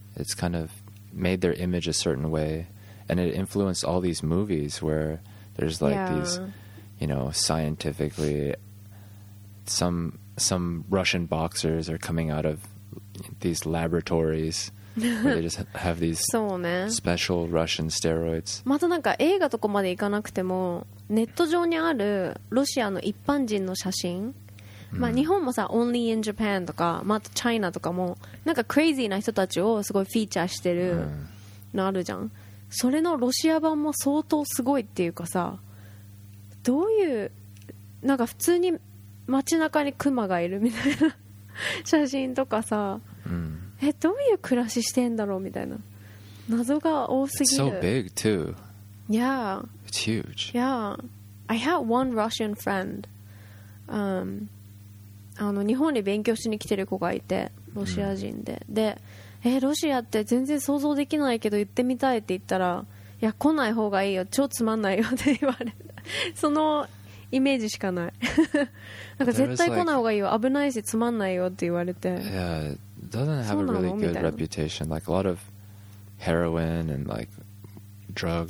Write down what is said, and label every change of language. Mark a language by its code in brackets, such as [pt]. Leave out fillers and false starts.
[en] It's kind of made their image a certain way. And it influenced all these movies where there's like these... You know, scientifically, some Russian boxers are coming out of these laboratories where they just have these [ja] そうね。 [en] special Russian steroids. [ja] またなんか映画とかまで行かなくても、ネット上にあるロシアの一般人の写真、まあ日本もさ、Only in Japan とか、まあ、あと China とかも、なんかクレイジーな人たちをすごいフィーチャーしてるのあるじゃん。それのロシア版も相当すごいっていうかさ、どういうなんか普通に街中にクマがいるみたいな写真とかさ、え、どういう暮らししてんだろうみたいな謎が多すぎる。 [en] It's so big too. Yeah. It's huge. Yeah. I had one Russian friend. [ja] あの日本に勉強しに来てる子がいてロシア人で、で、え、ロシアって全然想像できないけど行ってみたいって言ったら、いや来ない方がいいよ、超つまんないよって言われた。そのイメージしかない。なんか絶対来ない方がいいよ、危ないしつまんないよって言われて。 [en] Yeah, it doesn't have a really good reputation. Like a lot of heroin and like drug.